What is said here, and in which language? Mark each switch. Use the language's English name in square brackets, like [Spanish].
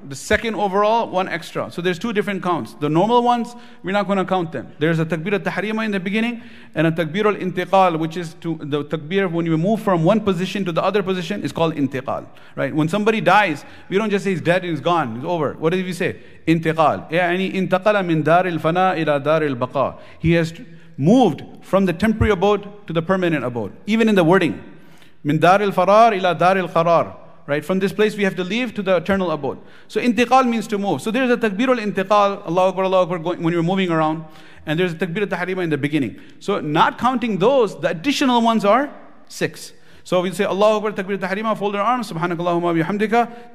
[English] The second overall, one extra. So there's 2 different counts. The normal ones, we're not going to count them. There's a takbir al-tahrima in the beginning, and a takbir al-intiqal, which is to the takbir when you move from one position to the other position, is called intiqal. Right? When somebody dies, we don't just say he's dead and he's gone, he's over. What did we say? Intiqal. [Arabic] يعني انتقل من دار الفناء إلى دار البقاء. [English] He has moved from the temporary abode to the permanent abode. Even in the wording. [Arabic] من دار الفرار إلى دار القرار. [English] Right, from this place we have to leave to the eternal abode. So intiqal means to move. So there's a takbir al-intiqal, Allahu Akbar, going, when you're moving around. And there's a takbir al-tahrima in the beginning. So not counting those, the additional ones are 6. So we say Allahu Akbar, takbir al-tahrima, fold your arms, [Arabic] subhanakallahumma bihamdika.